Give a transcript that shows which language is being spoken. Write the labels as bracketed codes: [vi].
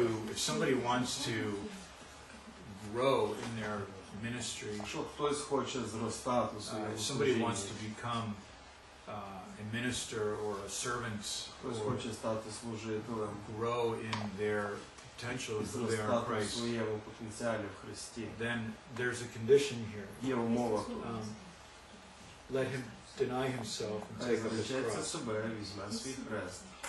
[en] if somebody wants to grow in their ministry. [uk] Якщо хтось хоче зростати у своєму служінні. [en] Somebody wants to become a minister or a servant. [uk] Хтось хоче стати служителем. [en] Grow in their potential until they are in Christ. [uk] Зростати у своєму потенціалі в Христі. [en] Then there's a condition here. [uk] Є умова. [en] Let him deny himself and take up his cross.